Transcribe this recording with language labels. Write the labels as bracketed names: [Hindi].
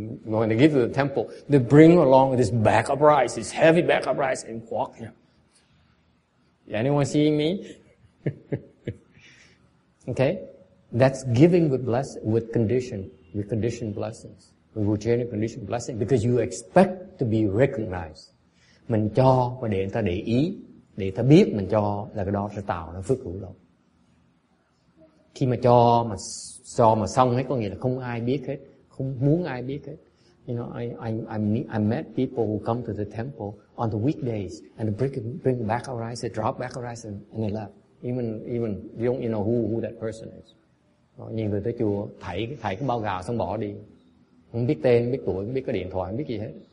[English] When they give to the temple, they bring along this bag of rice, this heavy bag of rice, and walk. Anyone seeing me? Okay. That's giving with conditioned blessings. We will change a conditioned blessing because you expect to be recognized. [Vietnamese] Mình cho và để người ta để ý, để ta biết mình cho là cái đó sẽ tạo ra phước hữu lộc. Khi mà cho mà xong hết có nghĩa là không ai biết hết, không muốn ai biết hết. [English] You know, I met people who come to the temple on the weekdays and bring back a rice, they drop back a rice and they left. Even you don't know who that person is. [Vietnamese] Nhìn người tới chùa, thảy cái bao gạo xong bỏ đi. Không biết tên, không biết tuổi, không biết có điện thoại, không biết gì hết.